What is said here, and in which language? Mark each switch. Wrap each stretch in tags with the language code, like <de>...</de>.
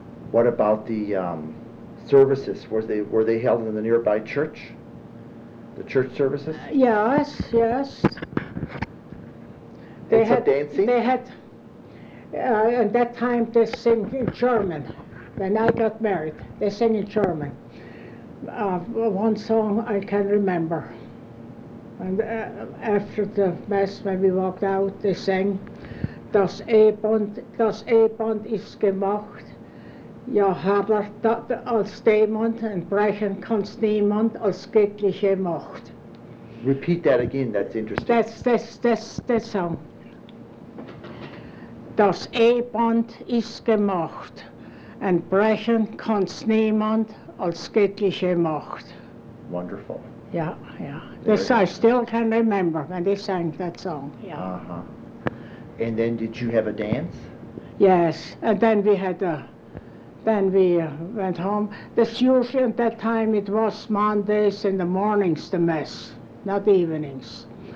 <en>What about the services? Were they held in the nearby church? The church services? Yes. They had dancing? They had, at that time they sing in German. When I got married, they sing in German. One song I can remember. And after the mass, when we walked out, they sang,</en> <de>Das Ehebund ist gemacht, ja, harder als Dämon, und brechen kannst niemand als göttliche Macht.</de> <en>Repeat that again, that's interesting. That's song.</en> <de>Das Ehebund ist gemacht, und brechen kannst niemand als göttliche Macht.</de> <en>Wonderful. Yeah, yeah. This I still can remember when they sang that song. Yeah. Uh-huh. And then did you have a dance? Yes. And then we had went home. This usually at that time it was Mondays in the mornings the mass, not evenings.</en>